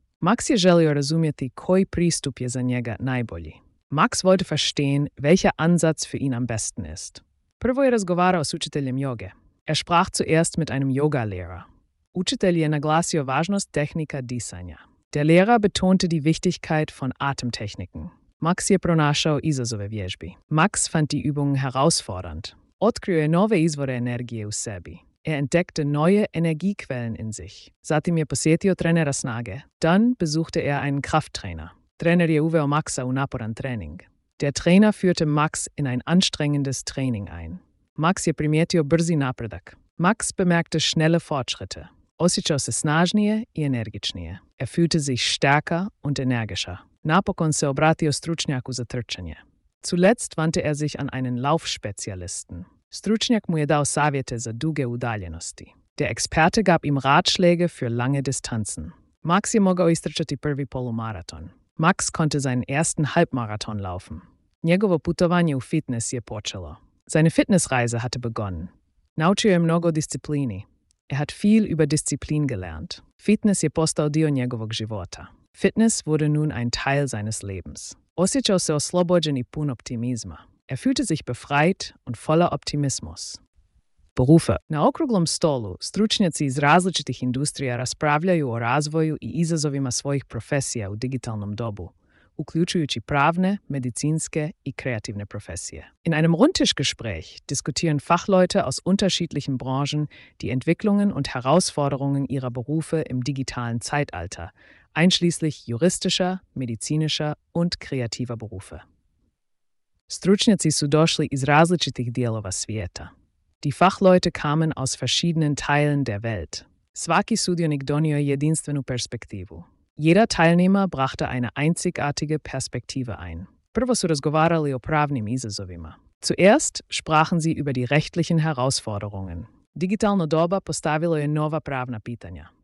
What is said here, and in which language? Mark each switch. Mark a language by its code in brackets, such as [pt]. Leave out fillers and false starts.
[hr] Max je želio razumjeti koji pristup je za njega najbolji. [de] Max wollte verstehen, welcher Ansatz für ihn am besten ist. [hr] Prvo je razgovarao s učiteljem joge. [de] Er sprach zuerst mit einem Yoga-Lehrer. [hr] Učitelj je naglasio važnost tehnika disanja. [de] Der Lehrer betonte die Wichtigkeit von Atemtechniken. [hr] Max je pronašao izazove vježbi. [de] Max fand die Übungen herausfordernd. [hr] Otkrio je nove izvore energije u sebi. [de] Er entdeckte neue Energiequellen in sich. [hr] Zatim je posjetio trenera snage. [de] Dann besuchte er einen Krafttrainer. [hr] Trener je uveo Maxa u naporan trening. [de] Der Trainer führte Max in ein anstrengendes Training ein. [hr] Max je primijetio brzi napredak. [de] Max bemerkte schnelle Fortschritte. [hr] Osjećao se snažnije i energičnije. [de] Er fühlte sich stärker und energischer. [hr] Napokon se obratio stručnjaku za trčanje. [de] Zuletzt wandte er sich an einen Laufspezialisten. [hr] Stručnjak mu je dao savjete za duge udaljenosti. [de] Der Experte gab ihm Ratschläge für lange Distanzen. [hr] Max je mogao istrčati prvi polumarathon. [de] Max konnte seinen ersten Halbmarathon laufen. [hr] Njegovo putovanje u fitness je počelo. [de] Seine Fitnessreise hatte begonnen. [hr] Naučio je mnogo disciplini. [de] Er hat viel über Disziplin gelernt. [hr] Fitness je postao dio njegovog života. [de] Fitness wurde nun ein Teil seines Lebens. [hr] Osjećao se oslobođen i pun optimizma. [de] Er fühlte sich befreit und voller Optimismus. [hr] Berufe. Na okruglom stolu stručnjaci iz različitih industrija raspravljaju o razvoju i izazovima svojih profesija u digitalnom dobu, uključujući pravne, medicinske i kreativne profesije. [de] In einem Rundtischgespräch diskutieren Fachleute aus unterschiedlichen Branchen die Entwicklungen und Herausforderungen ihrer Berufe im digitalen Zeitalter, einschließlich juristischer, medizinischer und kreativer Berufe. [hr] Stručnjaci su došli iz različitih dijelova svijeta. [de] Die Fachleute kamen aus verschiedenen Teilen der Welt. [hr] Svaki sudionik donio jedinstvenu perspektivu. [de] Jeder Teilnehmer brachte eine einzigartige Perspektive ein. [hr] Prvo su razgovarali o pravnim izazovima. [de] Zuerst sprachen sie über die rechtlichen Herausforderungen. [hr] Digitalna doba postavila je nova pravna pitanja.